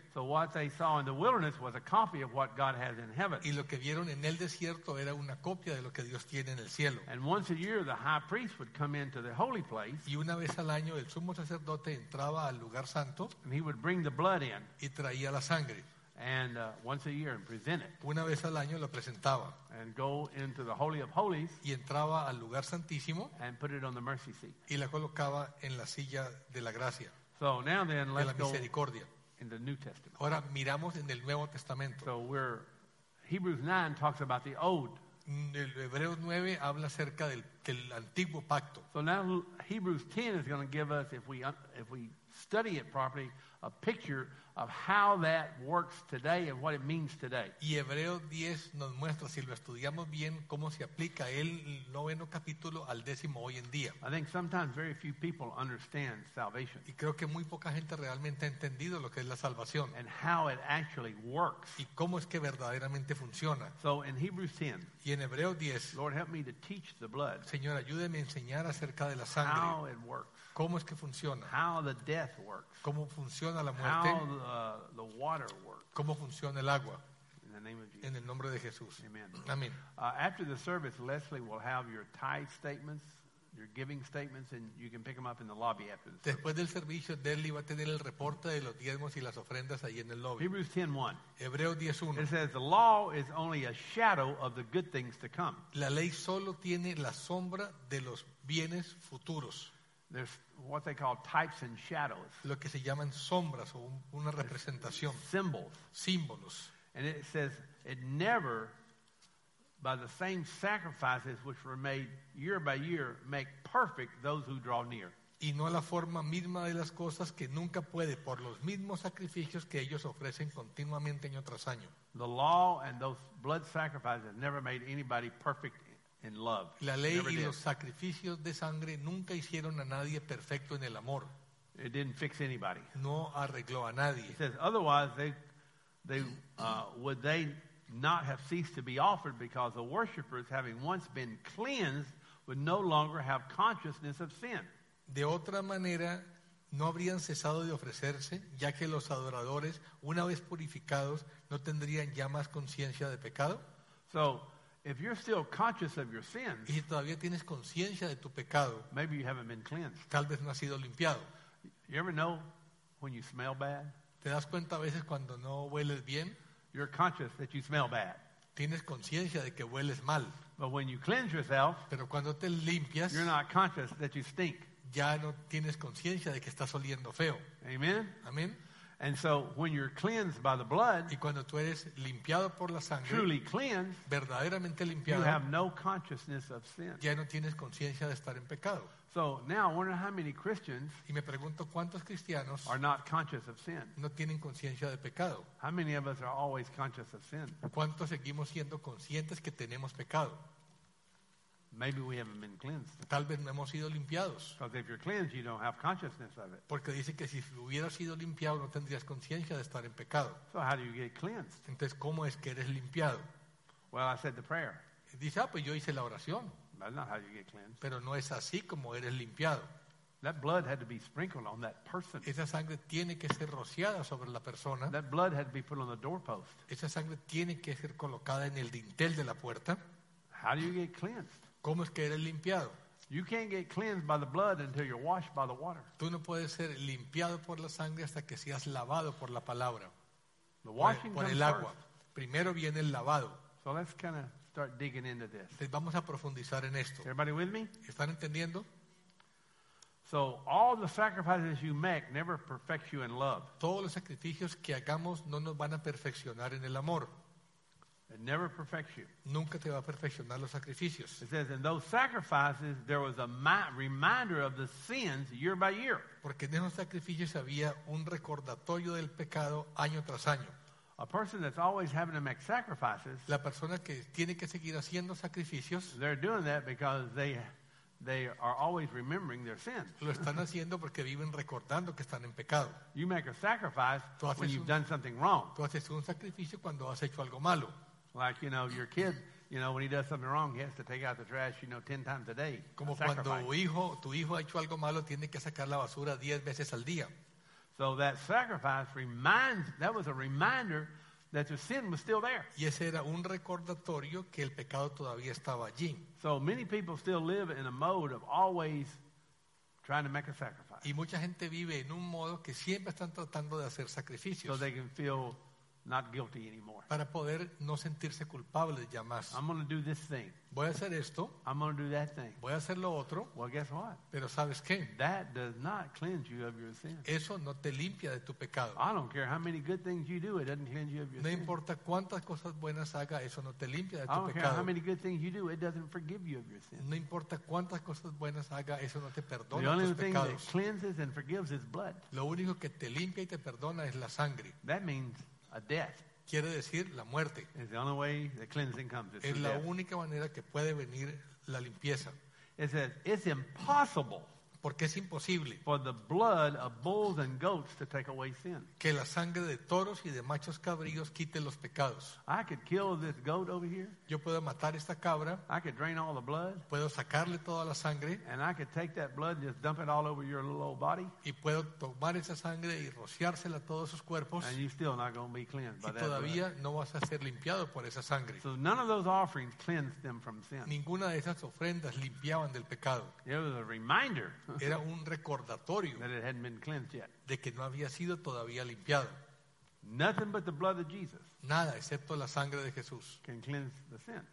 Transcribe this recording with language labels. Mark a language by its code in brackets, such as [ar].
[en] So what they saw in the wilderness was a copy of what God has in heaven. [es] Y lo que vieron en el desierto era una copia de lo que Dios tiene en el cielo. [en] And once a year the high priest would come into the holy place. [es] Y una vez al año el sumo sacerdote entraba al lugar santo. [en] And he would bring the blood in. [es] Y traía la sangre. [en] And once a year and present it. [es] Una vez al año lo presentaba. [en] And go into the Holy of Holies. [es] Y entraba al lugar santísimo. [en] And put it on the mercy seat. [es] Y la colocaba en la silla de la gracia. [en] So now then, [es] de la misericordia. [en] In the New Testament. [es] Ahora miramos en el Nuevo Testamento. [en] So we're Hebrews 9 talks about the old. [es] El Hebreo 9 habla acerca del antiguo pacto. [en] So now Hebrews 10 is going to give us, if we study it properly, a picture of how that works today and what it means today. [es] Y Hebreo 10 nos muestra, si lo estudiamos bien, cómo se aplica el noveno capítulo al décimo hoy en día. [en] I think sometimes very few people understand salvation. [es] Y creo que muy poca gente realmente ha entendido lo que es la salvación. [en] And how it actually works. [es] Y cómo es que verdaderamente funciona. [en] So in Hebrews 10, [es] y en Hebreo 10, [en] Lord, help me to teach the blood. [es] Señor, ayúdeme a enseñar acerca de la sangre. [en] How it works. [es] ¿Cómo es que funciona? [en] How the death works. [es] ¿Cómo funciona la muerte? [en] How the water works. [es] ¿Cómo funciona el agua? [en] In the name of Jesus. [es] En el nombre de Jesús. [en] Amen. [es] Amén. [en] After the service, Leslie will have your tithe statements, your giving statements, and you can pick them up in the lobby after the service. [es] Después del servicio, Leslie va a tener el reporte de los diezmos y las ofrendas ahí en el lobby. [en] Hebrews 10:1. [es] Hebreo 10:1. [en] It says the law is only a shadow of the good things to come. [es] La ley solo tiene la sombra de los bienes futuros. [en] There's what they call types and shadows. [es] Lo que se llaman sombras o una representación. [en] Symbols. [es] Símbolos. [en] And it says it never, by the same sacrifices which were made year by year, make perfect those who draw near. [es] Y no la forma misma de las cosas que nunca puede por los mismos sacrificios que ellos ofrecen continuamente año tras año. [en] The law and those blood sacrifices never made anybody perfect. In love. [es] La ley y los sacrificios de sangre nunca hicieron a nadie perfecto en el amor. [en] It didn't fix anybody. [es] No arregló a nadie. [en] It says otherwise they would not have ceased to be offered because the worshipers, having once been cleansed, would no longer have consciousness of sin. [es] De otra manera no habrían cesado de ofrecerse, ya que los adoradores, una vez purificados, no tendrían ya más conciencia de pecado. [en] So if you're still conscious of your sins, [es] y si todavía tienes conciencia de tu pecado, [en] maybe you haven't been cleansed. [es] Tal vez no has sido limpiado. [en] You ever know when you smell bad? [es] ¿Te das cuenta a veces cuando no hueles bien? [en] You're conscious that you smell bad. [es] Tienes conciencia de que hueles mal. [en] But when you cleanse yourself, [es] pero cuando te limpias, [en] you're not conscious that you stink. [es] Ya no tienes conciencia de que estás oliendo feo. [en] Amen. [es] Amén. [en] And so when you're cleansed by the blood, [es] y cuando tú eres limpiado por la sangre, [en] truly cleansed, [es] verdaderamente limpiado, [en] you have no consciousness of sin. [es] Ya no tienes conciencia de estar en pecado. [en] So now I wonder how many Christians, [es] y me pregunto cuántos cristianos, [en] are not conscious of sin. [es] No tienen conciencia de pecado. [en] How many of us are always conscious of sin? [es] ¿Cuántos seguimos siendo conscientes que tenemos pecado? [en] Maybe we haven't been cleansed. [es] Tal vez no hemos sido limpiados. [en] Because if you're cleansed, you don't have consciousness of it. [es] Porque dice que si hubieras sido limpiado, no tendrías conciencia de estar en pecado. [en] So how do you get cleansed? [es] Entonces, ¿cómo es que eres limpiado? [en] Well, I said the prayer. [es] Dice, pues yo hice la oración. [en] That's not how you get cleansed. [es] Pero no es así como eres limpiado. [en] That blood had to be sprinkled on that person. [es] Esa sangre tiene que ser rociada sobre la persona. [en] That blood had to be put on the doorpost. [es] Esa sangre tiene que ser colocada en el dintel de la puerta. [en] How do you get cleansed? [es] ¿Cómo es que eres limpiado? [en] You can't get cleansed by the blood until you're washed by the water. [es] Tú no puedes ser limpiado por la sangre hasta que seas lavado por la palabra. [en] The washing [es] por el agua. [en] First. [es] Primero viene el lavado. [en] So let's kind of start digging into this. [es] Entonces vamos a profundizar en esto. [en] Everybody with me? [es] ¿Están entendiendo? [en] So all the sacrifices you make never perfect you in love. [es] Todos los sacrificios que hagamos no nos van a perfeccionar en el amor. [en] It never perfects you. [es] Nunca te va a perfeccionar los sacrificios. [en] It says in those sacrifices there was a reminder of the sins year by year. [es] Porque en esos sacrificios había un recordatorio del pecado año tras año. [en] A person that's always having to make sacrifices. [es] La persona que tiene que seguir haciendo sacrificios. [en] They're doing that because they are always remembering their sins. [es] Lo están haciendo porque viven recordando que están en pecado. [en] You make a sacrifice when you've done something wrong. [es] Tú haces un sacrificio cuando has hecho algo malo. [en] Like, you know, your kid, you know, when he does something wrong, he has to take out the trash, you know, 10 times a day. [es] Como cuando tu hijo ha hecho algo malo, tiene que sacar la basura 10 veces al día. [en] So that sacrifice reminds, that was a reminder that your sin was still there. [es] Y ese era un recordatorio que el pecado todavía estaba allí. [en] So many people still live in a mode of always trying to make a sacrifice. [es] Y mucha gente vive en un modo que siempre están tratando de hacer sacrificios. [en] So they can feel not guilty anymore. [es] Para poder no sentirse culpable ya más. [en] I'm going to do this thing. [es] Voy a hacer esto. [en] I'm going to do that thing. [es] Voy a hacer lo otro. [en] Well, guess what? [es] Pero ¿sabes qué? [en] That does not cleanse you of your sin. [es] Eso no te limpia de tu pecado. [en] I don't care how many good things you do, it doesn't cleanse you of your sin. [es] No importa cuántas cosas buenas haga, eso no te limpia de tu pecado. [en] I don't care how many good things you do, it doesn't forgive you of your sin. [es] No importa cuántas cosas buenas haga, eso no te perdona tus pecados. [en] The only thing that cleanses and forgives is blood. [es] Lo único que te limpia y te perdona es la sangre. [en] That means a death. [es] Quiere decir la muerte. [en] It's the only way the cleansing comes. It's [es] es la [en] death. [es] Única manera que puede venir la limpieza. [en] It says, it's impossible. [es] Porque es imposible. [en] For the blood of bulls and goats to take away sin. [es] Que la sangre de toros y de machos cabríos quite los pecados. [en] I could kill this goat over here. [es] Yo puedo matar esta cabra. [en] I could drain all the blood. [es] Puedo sacarle toda la sangre. [en] And I could take that blood and just dump it all over your little old body. [es] Y puedo tomar esa sangre y rociársela a todos sus cuerpos. [en] And you're still not going to be cleansed [es] y [en] by that. [es] Y todavía no vas a ser limpiado por esa sangre. [en] So none of those offerings cleansed them from sin. [es] Ninguna de esas ofrendas limpiaban del pecado. [en] It was a reminder. [es] Era un recordatorio [en] that it hadn't been cleansed yet. [es] De que no había sido todavía limpiado. [en] Nothing but the blood of Jesus. [es] Nada excepto la sangre de Jesús [en] can cleanse the sin.